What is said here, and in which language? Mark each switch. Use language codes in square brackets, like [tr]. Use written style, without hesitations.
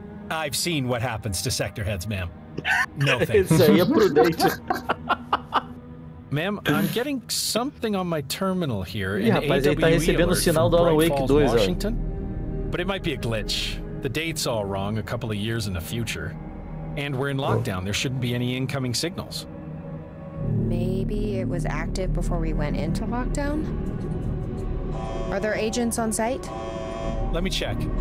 [en] I've seen what happens to sector heads, ma'am. No thanks. [pt] Isso aí é prudente. [en] Ma'am, I'm getting something on my terminal here. [pt] Ih, rapaz, ele tá recebendo o sinal do Alan Wake 2, ó. [en] But it might be a glitch. The date's all wrong a couple of years in the future. And we're in lockdown. There shouldn't be any incoming signals. Maybe it was active before we went into lockdown? Are there agents on site? Let me check.